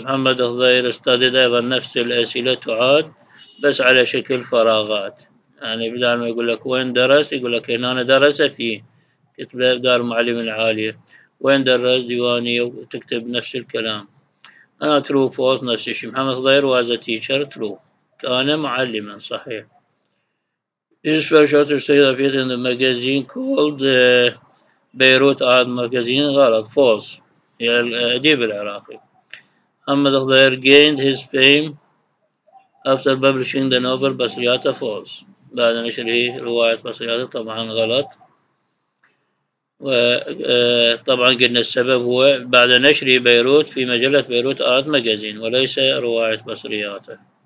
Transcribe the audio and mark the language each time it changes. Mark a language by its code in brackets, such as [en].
[ar] محمد خضير استدد أيضا نفس الأسئلة تعاد بس على شكل فراغات، يعني بدل ما يقول لك وين درس يقول لك هنا أنا درس في كتب دار المعلم العالية، وين درس ديوانية وتكتب نفس الكلام. أنا true false نفس الشيء، محمد خضير [en] was a teacher true، [ar] كان معلما صحيح. [en] This special studies appeared in the magazine called Beirut Art Magazine. [ar] غلط، فولس، هي الأديب العراقي. محمد خضير [en] gained his fame after publishing the novel [ar] بصرياتة، فولس، بعد نشره رواية بصرياتة، طبعا غلط. وطبعا قلنا السبب هو بعد نشر بيروت في مجلة بيروت آرت ماجازين وليس رواية بصرياتة.